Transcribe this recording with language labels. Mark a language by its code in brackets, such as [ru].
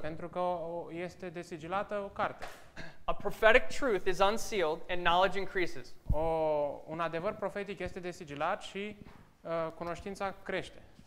[ro] Pentru că este desigilată o carte. [en] A prophetic truth is unsealed and knowledge increases. [ro] Un adevăr profetic este desigilat și cunoștința crește.